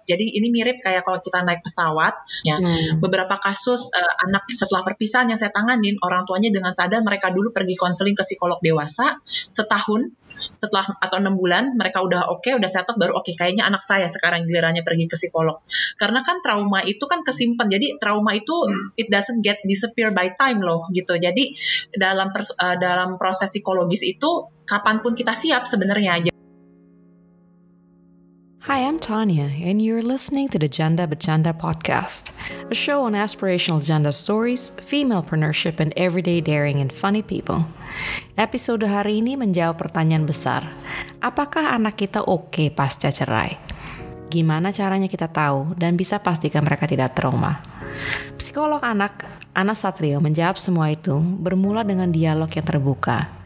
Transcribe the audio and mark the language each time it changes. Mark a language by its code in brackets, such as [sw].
[id] Jadi ini mirip kayak kalau kita naik pesawat, ya. Beberapa kasus anak setelah perpisahan yang saya tanganin, orang tuanya dengan sadar mereka dulu pergi konseling ke psikolog dewasa, setahun setelah atau 6 bulan mereka udah oke, udah settle, baru oke, kayaknya anak saya sekarang gilirannya pergi ke psikolog. Karena kan trauma itu kan kesimpan, jadi trauma itu [en] it doesn't get disappear by time [id] loh, gitu. Jadi dalam dalam proses psikologis itu kapanpun kita siap sebenarnya. [en] Hi, I'm Tanya, and you're listening to the Janda Bercanda podcast, a show on aspirational janda stories, femalepreneurship, and everyday daring and funny people. [id] Episode hari ini menjawab pertanyaan besar, apakah anak kita oke pasca cerai? Gimana caranya kita tahu dan bisa pastikan mereka tidak trauma? Psikolog anak, Ana Satrio, menjawab semua itu bermula dengan dialog yang terbuka.